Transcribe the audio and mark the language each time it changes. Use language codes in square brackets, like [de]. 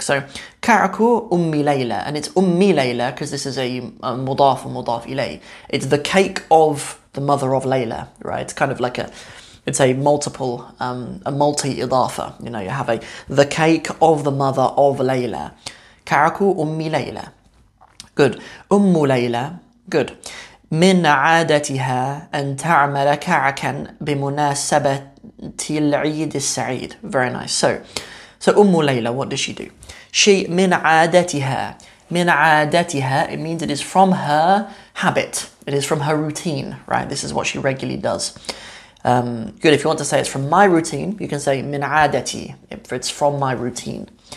[en] So, [ar] Ka'aku ummi layla, [en] and it's ummi layla because this is a mudaf or mudaf ilay. It's the cake of the mother of Layla, right? It's kind of like a multi-idafa. You know, you have the cake of the mother of Layla. [ar] Ka'aku ummi layla. Good. Ummu layla. Good. من عادتها أن تعمل كعكا بمناسبة العيد السعيد. [en] Very nice. So Ummu Layla, what does she do? She, [ar] من عادتها, [en] it means it is from her habit. It is from her routine, right? This is what she regularly does. Good, if you want to say it's from my routine, you can say [ar] من عادتي, [en] if it's from my routine.